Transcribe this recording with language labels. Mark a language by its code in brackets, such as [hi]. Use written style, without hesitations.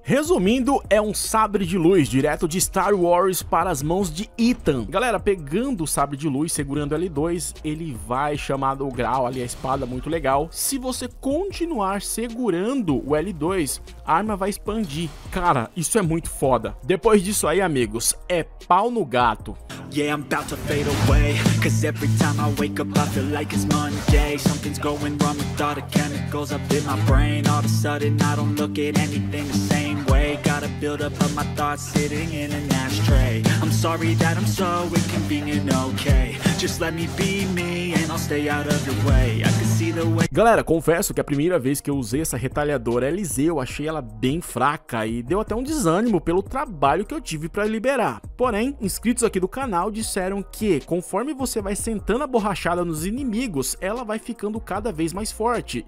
[pt] Resumindo, é um sabre de luz direto de Star Wars para as mãos de Ethan. Galera, pegando o sabre de luz, segurando L2, ele vai chamado o grau ali, a espada, muito legal. Se você continuar segurando o L2, a arma vai expandir. Cara, isso é muito foda. Depois disso aí, amigos, é pau no gato. [en] Yeah, I'm about to fade away. Cause every time I wake up, I feel like it's Monday. Something's going wrong with all the chemicals up in my brain. All of a sudden, I don't look at anything the same way. Gotta build up of my thoughts sitting in an ashtray. I'm sorry that I'm so inconvenient, okay. Just let me be me and I'll stay out of your way. I can see the way. [pt] Galera, confesso que a primeira vez que eu usei essa retalhadora LZ, eu achei ela bem fraca e deu até um desânimo pelo trabalho que eu tive pra liberar. Porém, inscritos aqui do canal disseram que, conforme você vai sentando a borrachada nos inimigos, ela vai ficando cada vez mais forte.